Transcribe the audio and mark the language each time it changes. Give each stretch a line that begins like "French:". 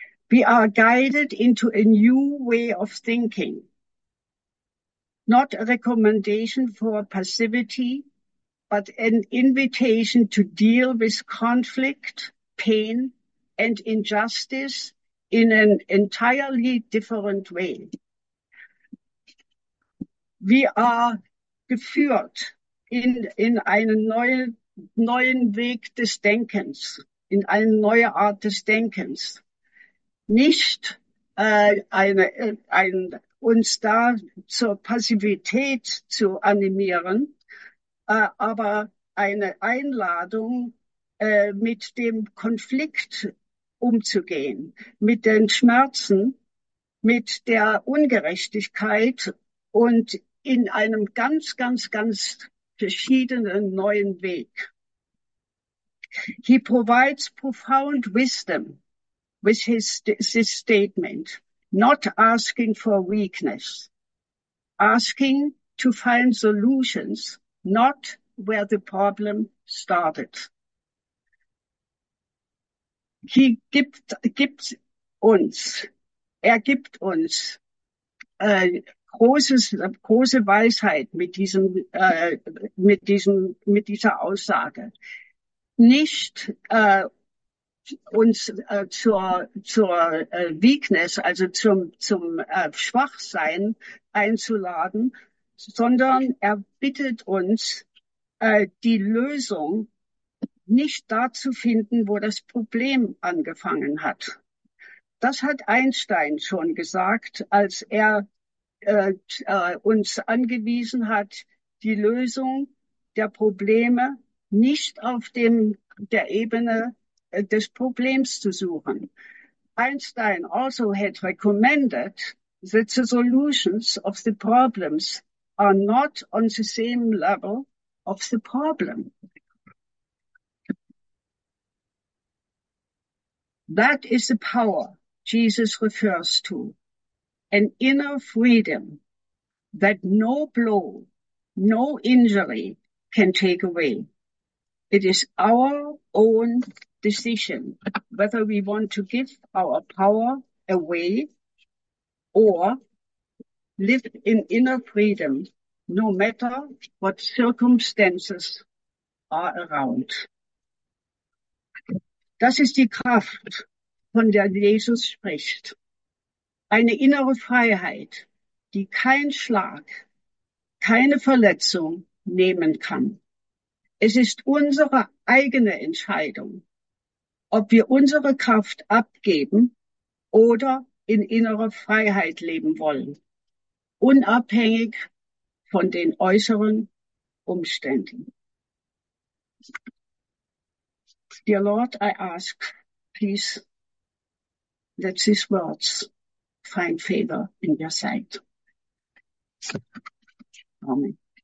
English: We are guided into a new way of thinking, not a recommendation for passivity, but an invitation to deal with conflict, pain, and injustice in an entirely different way. We are
German: geführt in einen neuen Weg des Denkens, in eine neue Art des Denkens. Nicht uns da zur Passivität zu animieren, aber eine Einladung, mit dem Konflikt umzugehen, mit den Schmerzen, mit der Ungerechtigkeit und in einem ganz, ganz, ganz verschiedenen neuen Weg.
English: He provides profound wisdom with his statement, not asking for weakness, asking to find solutions, not where the problem started.
German: He gibt uns große Weisheit mit dieser Aussage. Nicht uns zur Weakness, also zum Schwachsein einzuladen, sondern er bittet uns, die Lösung nicht da zu finden, wo das Problem angefangen hat. Das hat Einstein schon gesagt, als er uns angewiesen hat, die Lösung der Probleme nicht auf der Ebene des Problems zu suchen.
English: Einstein also had recommended that the solutions of the problems are not on the same level of the problem. That is the power Jesus refers to, an inner freedom that no blow, no injury can take away. It is our own decision whether we want to give our power away or live in inner freedom, no matter what circumstances are around.
German: Das ist die Kraft, von der Jesus spricht. Eine innere Freiheit, die kein Schlag, keine Verletzung nehmen kann. Es ist unsere eigene Entscheidung, ob wir unsere Kraft abgeben oder in innerer Freiheit leben wollen, unabhängig von den äußeren Umständen.
English: Dear Lord, I ask, please, let these words find favor in your sight. Amen.